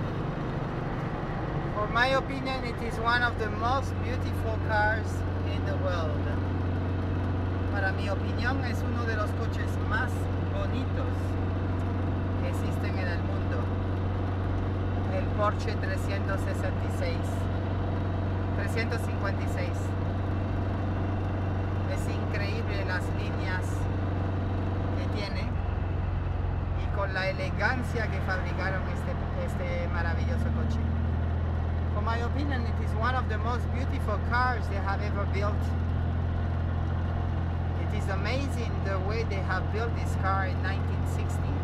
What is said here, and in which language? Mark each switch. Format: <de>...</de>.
<en>In my opinion, it is one of the most beautiful cars in the world.</en> <es>Para mi opinión, es uno de los coches más bonitos que existen en el mundo. El Porsche 356. Es increíble las líneas que tiene y con la elegancia que fabricaron este maravilloso coche.</es> <en>In my opinion, it is one of the most beautiful cars they have ever built. It is amazing the way they have built this car in 1960.</en>